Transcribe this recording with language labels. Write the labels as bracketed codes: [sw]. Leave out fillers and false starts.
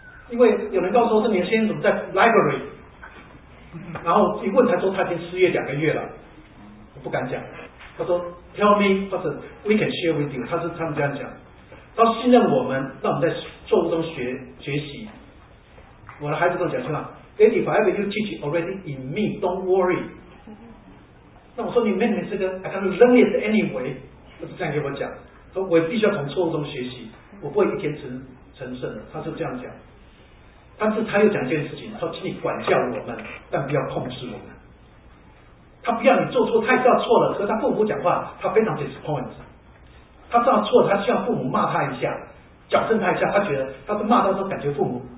[zh] 因为有人告诉我说你的先生怎么在 library， 然后一问才说他已经失业两个月了，我不敢讲。他说 [en] tell me， [zh] 或者 [en] we can share with you， [zh] 他们这样讲，他信任我们，让我们在错误中学习。我的孩子都讲说了 [en] daddy whatever you teach already in me don't worry。 [zh] 那我说你妹妹这个 [en] I can learn it anyway， [zh] 他是这样给我讲，说我必须要从错误中学习，我不会一天成圣的，他是这样讲。但是他又讲一件事情，他说请你管教我们，但不要控制我们。他不要你做错，他也知道错了，可是他父母讲话他非常 disappoint， 他知道错了，他希望父母骂他一下，矫正他一下，他觉得他是骂他的时候感觉父母